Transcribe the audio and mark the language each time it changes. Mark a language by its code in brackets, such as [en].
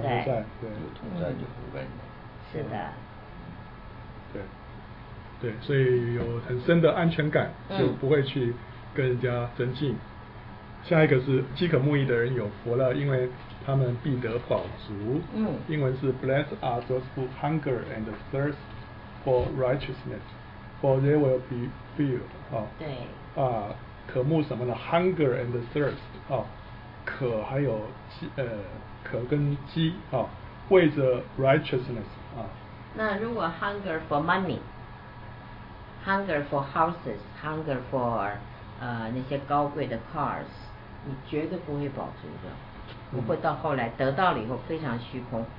[zh] 在。对，有同在就会温柔。是的。对。对，所以有很深的安全感，就不会去跟人家争竞、嗯。下一个是饥渴慕义的人有福了，因为他们必得饱足。嗯。英文是 [en] Blessed are those who hunger and thirst for righteousness, for they will be filled.、哦、 [zh] 对。啊，渴慕什么呢 ？ [en] Hunger and thirst [zh] 啊，渴还有饥，渴跟饥啊，为着 righteousness 啊，那如果 [en] hunger for money, hunger for [zh] houses, hunger for、那些高贵的 cars, 你绝对不会保住的，不会到后来得到了以后非常虚空。